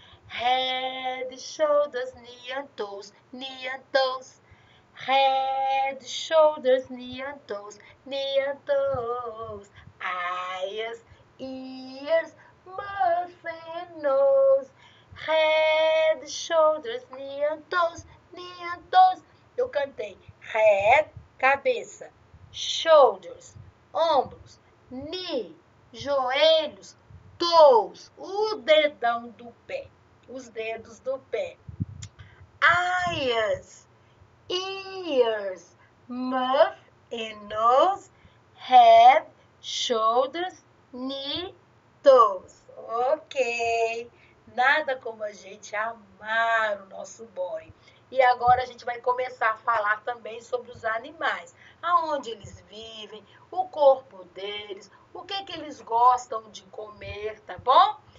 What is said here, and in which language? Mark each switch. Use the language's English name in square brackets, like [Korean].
[English] Head, shoulders, knee and toes, knee and toes. Head, shoulders, knee and toes, knee and toes. Eyes, ears, mouth and nose. Head, shoulders, knee and toes, knee and toes. [Portuguese] Eu cantei head, cabeça, shoulders, ombros, knee, joelhos, toes, o dedão do pé, os dedos do pé. [English] Eyes, ears, mouth and nose, head, shoulders, knee, toes. [Portuguese] Ok, nada como a gente amar o nosso boy. E agora a gente vai começar a falar também sobre os animais. Aonde eles vivem, o corpo deles, o que que eles gostam de comer, tá bom?